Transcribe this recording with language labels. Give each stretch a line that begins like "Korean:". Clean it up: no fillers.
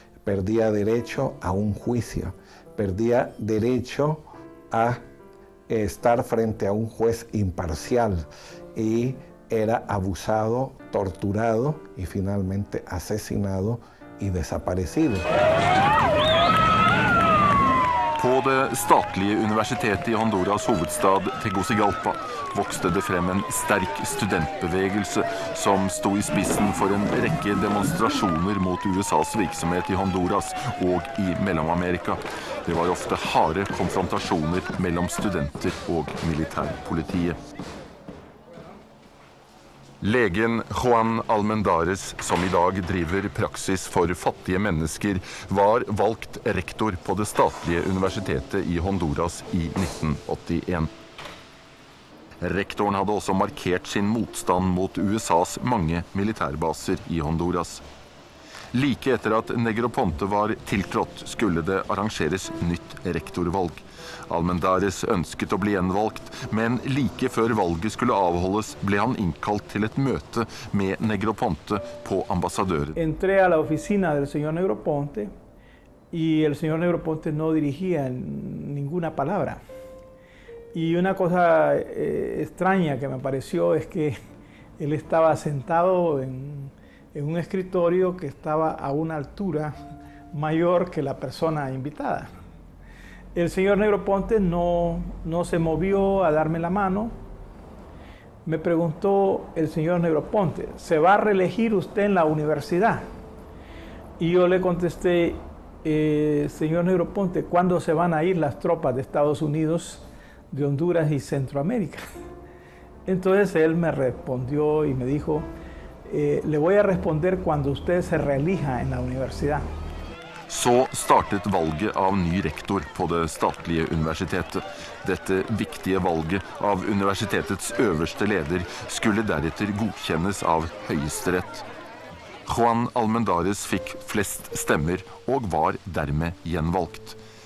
Spanish: Perdía derecho a un juicio, perdía derecho a estar frente a un juez imparcial y era abusado, torturado y finalmente asesinado y desaparecido.
Norwegian: På det statlige universitetet i Honduras hovedstad Tegucigalpa vokste det frem en sterk studentbevegelse som sto i spissen for en rekke demonstrasjoner mot USAs virksomhet i Honduras og i Mellomamerika. Det var ofte harde konfrontasjoner mellom studenter og militærpolitiet. Legen Juan Almendares, som i dag driver praksis for fattige mennesker, var valgt rektor på det statlige universitetet i Honduras i 1981. Rektoren hadde også markert sin motstand mot USAs mange militærbaser i Honduras. Like etter at Negroponte var tiltrådt, skulle det arrangeres nytt rektorvalg. Almendares ønsket å bli gjenvalgt, men like før valget skulle avholdes, ble han innkalt til et møte med Negroponte på ambassadøren.
Spanish: Entré a la oficina del señor Negroponte y el señor Negroponte no dirigía ninguna palabra. Y una cosa extraña que me pareció es que él estaba sentado en un escritorio que estaba a una altura mayor que la persona invitada. El señor Negroponte no se movió a darme la mano. Me preguntó el señor Negroponte, ¿se va a reelegir usted en la universidad? Y yo le contesté, señor Negroponte, ¿cuándo se van a ir las tropas de Estados Unidos, de Honduras y Centroamérica? Entonces él me respondió y me dijo, le voy a responder cuando usted se reelija en la universidad.
Norwegian: Så startet valget av ny rektor på det statlige universitetet. Dette viktige valget av universitetets øverste leder skulle deretter godkjennes av Høyesterett. Juan Almendares fikk flest stemmer og var dermed gjenvalgt.